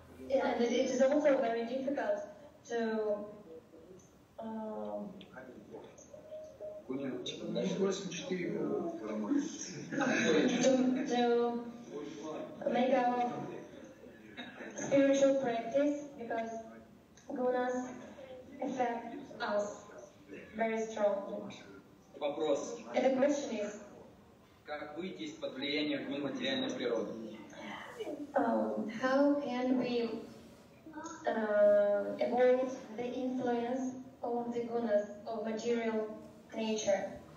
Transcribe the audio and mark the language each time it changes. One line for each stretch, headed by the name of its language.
English: And it is also very difficult to to make a spiritual practice because gunas affect us very strongly.
Russian: Вопрос.
English: And the question is,
Russian: как выйти из-под влияния гун материальной природы?
English: How can we avoid the influence of the gunas of material nature?